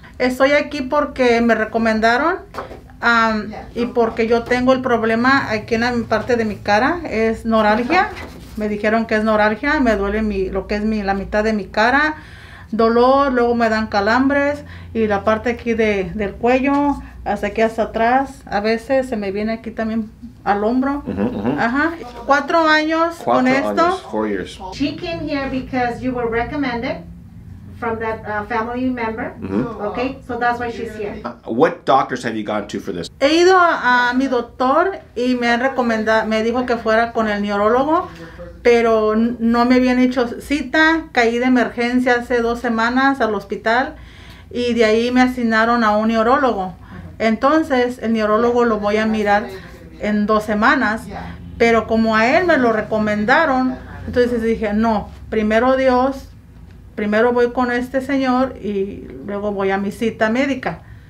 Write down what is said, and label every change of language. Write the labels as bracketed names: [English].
[Spanish] Estoy aquí porque me recomendaron y porque yo tengo el problema aquí en la parte de mi cara, es neuralgia. Me dijeron que es neuralgia, me duele la mitad de mi cara, dolor, luego me dan calambres y la parte aquí del cuello, hasta aquí hasta atrás, a veces se me viene aquí también al hombro. Ajá. Cuatro años con esto. [English] She came here because you were recommended from that family member. Mm-hmm. Okay, so that's why she's here. What doctors have you gone to for this? [Spanish] He ido a mi doctor y me dijo que fuera con el neurólogo. Pero no me habían hecho cita, caí de emergencia hace 2 semanas al hospital y de ahí me asignaron a un neurólogo. Entonces, el neurólogo lo voy a mirar en 2 semanas, pero como a él me lo recomendaron, entonces dije, no, primero Dios, primero voy con este señor y luego voy a mi cita médica.